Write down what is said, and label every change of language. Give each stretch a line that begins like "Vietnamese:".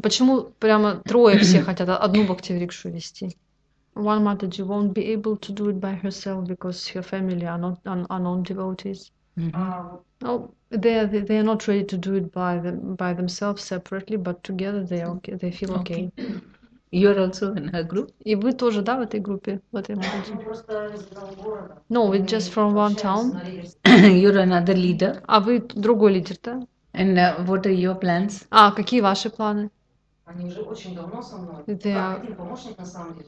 Russian: Почему прямо трое все хотят одну бхакти-рикшу вести?
English: One Mataji won't be able to do it by herself because her family are not non-devotees. No, they are not ready to do it by themselves separately, but together they are okay, they feel okay. You are also in her group?
Russian: И вы тоже, да, в этой группе, в этой группе?
English: No, we're just from one town. You're another leader.
Russian: А вы другой лидер, да?
English: And what are your plans?
Russian: А какие ваши планы? Они уже очень давно со мной.
English: They are
Russian: один помощник на самом деле.